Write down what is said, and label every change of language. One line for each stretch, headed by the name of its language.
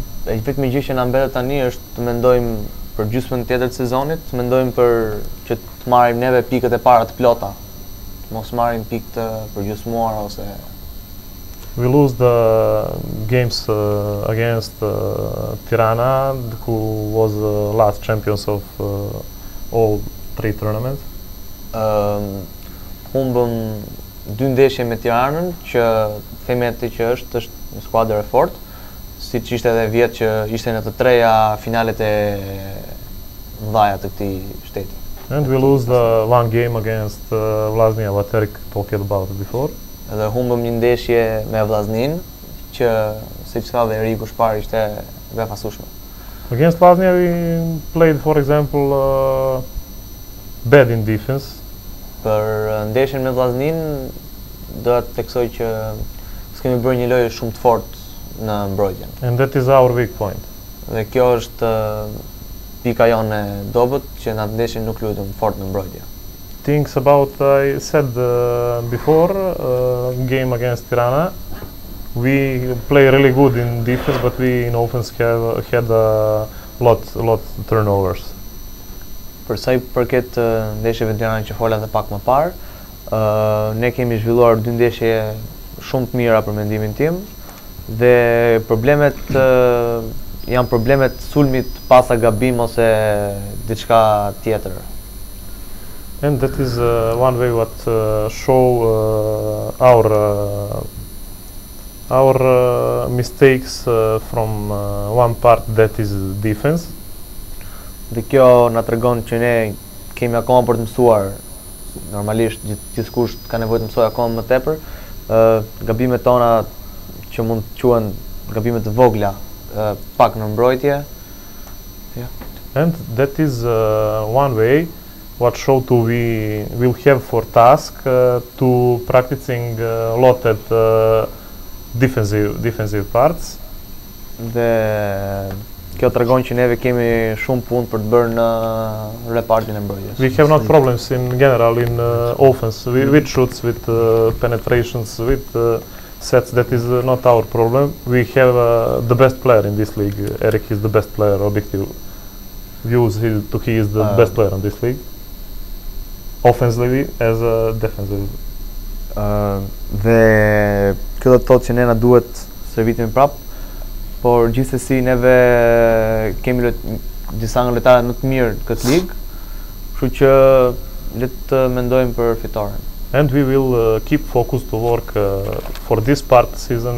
Albanian: E vetmi gjë që na mbetet tani është të mendojmë për gjysmën tjetër të sezonit, të mendojmë për që të marrim neve pikët e para të plota mos marrin pikë të përgjys muara ose
English: we lose the games against Tirana, who was the last champions of all three tournaments.
Albanian: Humbëm dy ndeshje me Tiranën, që themi atë që është një skuadër e fortë, siç ishte edhe vjet që ishte në të treja finalet e mëdha të këtij shteti.
English: And we lose the one game against Vllaznia, what Eric talked about before.
Albanian: Edhe humbëm një ndeshje me Vllaznin, që siç tha dhe Eriku së pari ishte befasueshme.
English: Against Vllaznia we played for example bad in defense.
Albanian: Për ndeshjen me Vllaznin doja të theksoj që s'kemi bërë një lojë shumë të fortë në mbrojtjen.
English: And that is our weak point.
Albanian: Dhe kjo është pika jonë e dobët që në atë ndeshje nuk luajtëm fort në mbrojtje.
English: Things about I said before game against Tirana. We play really good in defense, but we in offense had a lot turnovers.
Albanian: Për sa I përket ndeshjeve të Tiranës që folën edhe pak më parë, ne kemi zhvilluar dy ndeshje shumë të mira për mendimin tim dhe problemet janë problemet sulmit pasa gabim ose diçka tjetër.
English: And that is one way what show our mistakes from one part that is defense.
Albanian: Dhe kjo na tregon që ne kemi akoma për të mësuar. Normalisht gjithkush ka nevojë të mësojë akoma më tepër. Gabimet tona që mund të quhen gabime të vogla pak në mbrojtje.
English: Yeah. And that is one way what show to we will have for task to practicing lot at defensive parts.
Albanian: Dhe kjo tregon që neve kemi shumë punë për të bërë në repartin e mbrojtjes.
English: We have not problems in general in offense with shoots, with penetrations, with sets. That is not our problem. We have the best player in this league. Eric is the best player. Objective views he is the best player in this league. Offensively as a defensively.
Albanian: Dhe kjo do të thotë që ne na duhet servitimi prap, por gjithsesi neve kemi disa nga lojtarët më të mirë këtë ligë, kështu që le të mendojmë për fitoren.
English: And we will keep focus to work for this part season.